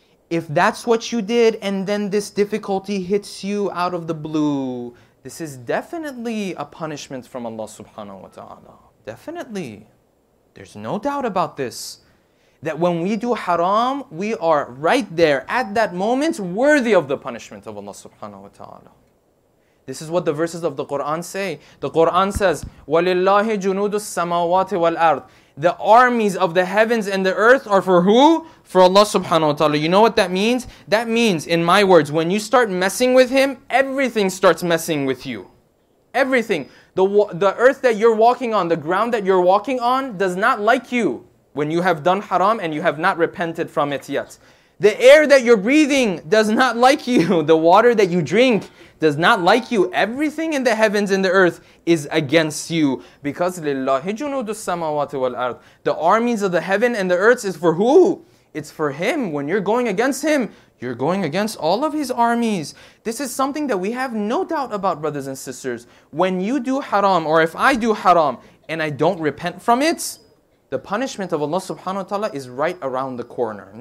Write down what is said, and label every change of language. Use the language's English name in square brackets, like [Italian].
[English] If that's what you did and then this difficulty hits you out of the blue, this is definitely a punishment from Allah subhanahu wa ta'ala. Definitely. There's no doubt about this. That when we do haram, we are right there at that moment worthy of the punishment of Allah subhanahu wa ta'ala. This is what the verses of the Quran say. The Quran says, [Arabic] وَلِلَّهِ جُنُودُ السَّمَاوَاتِ وَالْأَرْضِ. [English] The armies of the heavens and the earth are for who? For Allah subhanahu wa ta'ala. You know what that means? That means, in my words, when you start messing with Him, everything starts messing with you. Everything. The earth that you're walking on, the ground that you're walking on, does not like you when you have done haram and you have not repented from it yet. The air that you're breathing does not like you. The water that you drink does not like you. Everything in the heavens and the earth is against you. Because [Arabic] لِلَّهِ جُنُودُ السَّمَاوَاتِ وَالْأَرْضِ. [English] The armies of the heaven and the earth is for who? It's for Him. When you're going against Him, you're going against all of His armies. This is something that we have no doubt about, brothers and sisters. When you do haram, or if I do haram, and I don't repent from it, the punishment of Allah subhanahu wa ta'ala is right around the corner.